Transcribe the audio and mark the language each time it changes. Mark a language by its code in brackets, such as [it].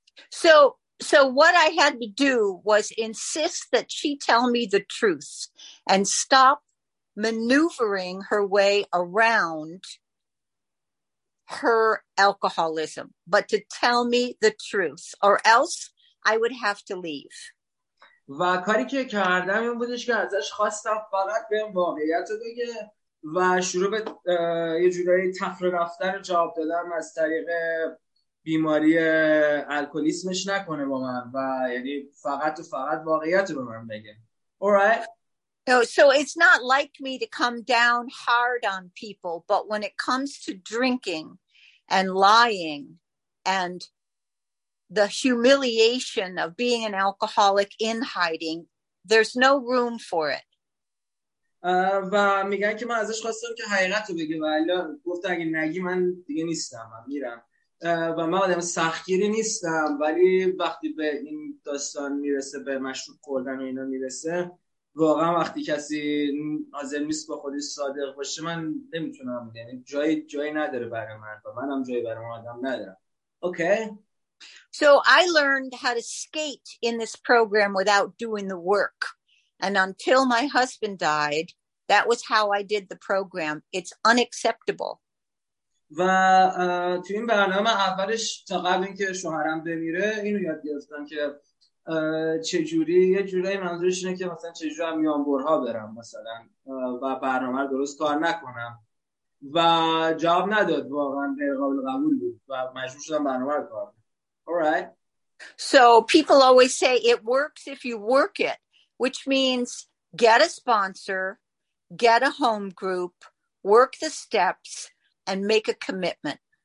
[en] So what I had to do was insist that she tell me the truth and stop maneuvering her way around her alcoholism, but to tell me the truth or else I would have to leave. [fa] و کاری که کردم این بودش که ازش خواستم فقط بهم واقعیت رو بگه و شروع به یه جورایی تفره رفتن جواب دادن از طریق بیماری الکلیسمش نکنه با من و یعنی فقط و فقط واقعیت رو به من بگه. [en] Alright. So it's not like me to come down hard on people, but when it comes to drinking and lying and the humiliation of being an alcoholic in hiding, there's no room for it. [fa] و میگن که من ازش خواستم که حقیقت رو بگه و الان گفت اگه نگی من دیگه نیستم، من میرم. و من آدم سختگیری نیستم، ولی وقتی به این داستان میرسه، به مشروب خوردن و اینا میرسه، واقعا وقتی کسی حاضر نیست با خودش صادق باشه، من نمیتونم، یعنی جایی نداره برای من و منم جایی برای من آدم ندارم. [en] Okay. So I learned how to skate in this program without doing the work. And until my husband died, that was how I did the program. It's unacceptable. [fa] و تو این برنامه اولش تا قبل اینکه شوهرم بمیره اینو یاد گرفتم که چجوری یه جورایی منظورش اینه که مثلا چجوری هم میانبرها برم مثلا و برنامه رو درست کار نکنم و جواب نداد، واقعا غیر قابل قبول بود و مجبور شدم برنامه رو کار کنم. [en] Alright. So people always say it works if you work it, which means get a sponsor, get a home group, work the steps, and make a commitment.